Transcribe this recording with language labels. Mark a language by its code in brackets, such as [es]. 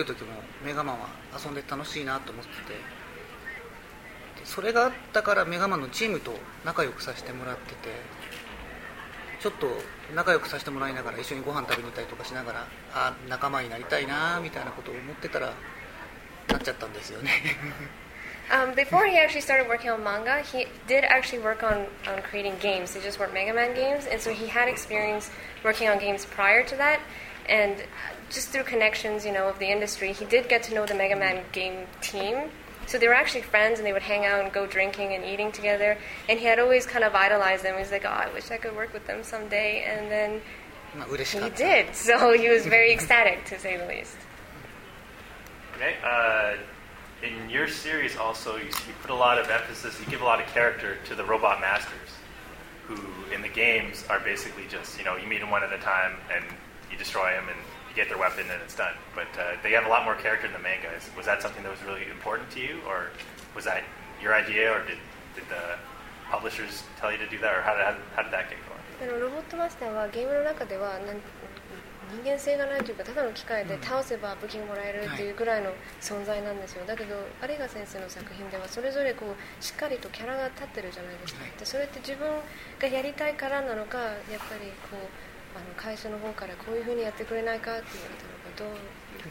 [ja] 漫画描いてただけっていうとこから、実際のメガマンのゲームに加わるようになった時の感想は。もともとゲームを作ってました、漫画を描く前は。なので、ゲームを作ってる時もメガマンは遊んでて楽しいなと思ってて。それがあったからメガマンのチームと仲良くさせてもらってて、ちょっと仲良くさせてもらいながら一緒にご飯食べに行ったりとかしながら、あ、仲間になりたいなみたいなことを思ってたらなっちゃったんですよね。 [en] Before he actually started working on manga, he did actually work on creating games. They just weren't Mega Man games, and so he had experience working on games prior to that. And just through connections, you know, of the industry, he did get to know the Mega Man game team. So they were actually friends, and they would hang out and go drinking and eating together. And he had always kind of idolized them. He was like, "Oh, I wish I could work with them someday." And then he did. So he was very ecstatic, to say the least. Okay. In your series also, you put a lot of emphasis, you give a lot of character to the robot masters, who in the games are basically just, you know, you meet them one at a time, and you destroy them, and you get their weapon and it's done. But they have a lot more character in the manga. Was that something that was really important to you, or was that your idea, or did the publishers tell you to do that, or how did that get going? [ja] ロボットマスターはゲームの中では人間性がないというかただの機械で倒せば武器もらえるというぐらいの存在なんですよ、はい、だけど有賀先生の作品ではそれぞれこうしっかりとキャラが立ってるじゃないですか、はい、でそれって自分がやりたいからなのかやっぱりこうあの会社の方からこういうふうにやってくれないかって言われたのかどう